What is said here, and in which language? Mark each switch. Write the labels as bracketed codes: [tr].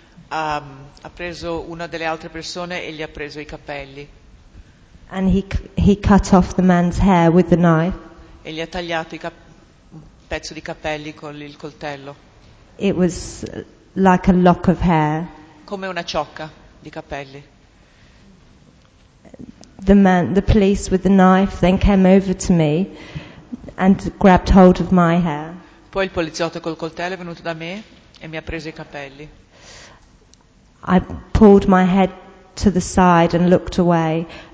[it] Ha preso una delle altre persone e gli ha preso i capelli. [en] And he cut off the man's hair with the knife. [it] E gli ha tagliato un pezzo di capelli con il coltello. [en] It was like a lock of hair. [it] Come una ciocca di capelli. [en] The police with the knife then came over to me and grabbed hold of my hair. [it] Poi il poliziotto col coltello è venuto da me e mi ha preso i capelli. [en] I pulled my head to the side and looked away.